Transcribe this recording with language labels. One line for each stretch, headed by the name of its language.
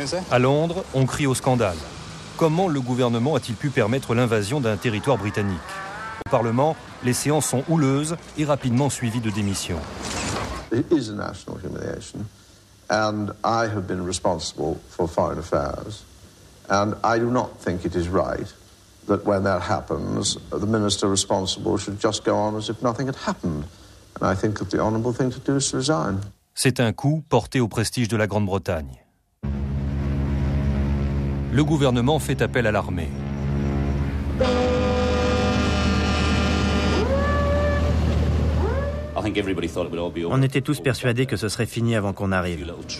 French: À Londres, on crie au scandale. Comment le gouvernement a-t-il pu permettre l'invasion d'un territoire britannique ? Au Parlement, les séances sont houleuses et rapidement suivies de démissions.
English: And I have been responsible for foreign affairs. And I do not think it is right that when that happens, the minister responsible should just go on as if nothing had happened. And I think that the honourable thing to do is to resign.
French: C'est un coup porté au prestige de la Grande-Bretagne. Le gouvernement fait appel à l'armée. On était tous persuadés que ce serait fini avant qu'on arrive.